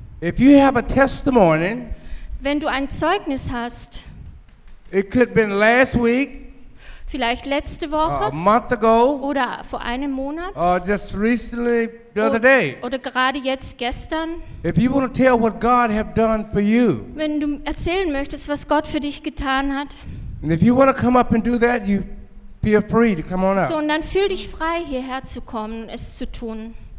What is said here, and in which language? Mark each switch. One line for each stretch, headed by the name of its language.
English: If you have a testimony,
German: wenn du ein Zeugnis hast,
English: it could have been last week,
German: vielleicht letzte Woche,
English: a month ago,
German: oder vor einem Monat,
English: or just recently, the other day,
German: oder gerade jetzt gestern.
English: If you want to tell what God have done for you,
German: wenn du erzählen möchtest, was Gott für dich getan hat,
English: and if you want to come up and do that, you feel free to come on up.
German: So und dann fühl dich frei, hierher zu kommen, es zu tun.